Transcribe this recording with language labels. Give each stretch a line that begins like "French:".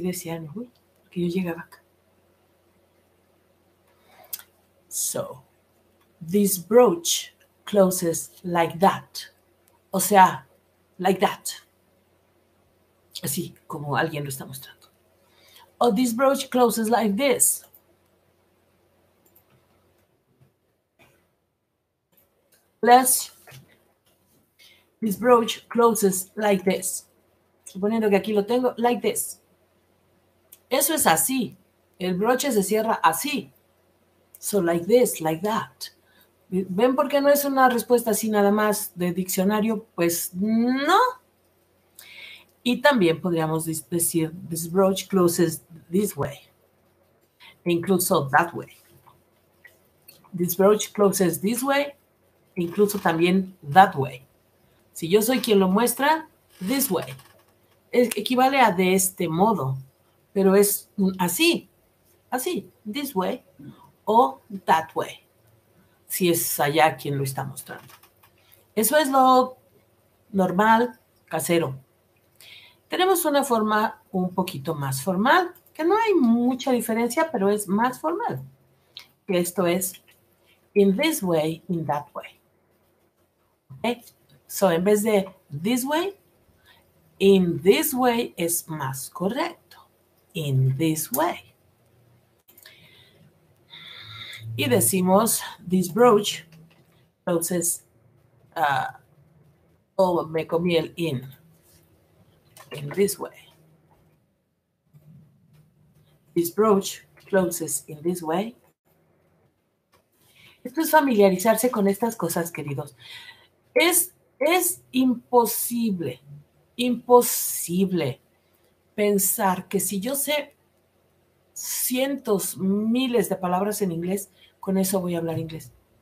Spanish: Decían, uy, porque yo llegaba acá.
English: So, this brooch closes like that.
Spanish: O sea,
English: like that.
Spanish: Así, como alguien lo está mostrando.
English: O this brooch closes like this. Less. This brooch closes like this.
Spanish: Suponiendo que aquí lo tengo,
English: like this.
Spanish: Eso es así. El broche se cierra así.
English: So like this, like that.
Spanish: ¿Ven por qué no es una respuesta así nada más de diccionario? Pues no. Y también podríamos decir,
English: this brooch closes this way.
Spanish: Incluso
English: that way. This brooch closes this way.
Spanish: Incluso también
English: that way.
Spanish: Si yo soy quien lo muestra,
English: this way.
Spanish: Equivale a de este modo. Pero es así. Así,
English: this way.
Spanish: O
English: that way.
Spanish: Si es allá quien lo está mostrando. Eso es lo normal, casero. Tenemos una forma un poquito más formal, que no hay mucha diferencia, pero es más formal. Que esto es
English: in this way, in that way.
Spanish: ¿Okay? So, en vez de
English: this way, in this way
Spanish: es más correcto.
English: In this way.
Spanish: Y decimos,
English: this brooch closes,
Spanish: me comí el
English: in this way. This brooch closes in this way.
Spanish: Esto es familiarizarse con estas cosas, queridos. Es imposible, imposible pensar que si yo sé cientos, miles de palabras en inglés, con eso voy a hablar inglés.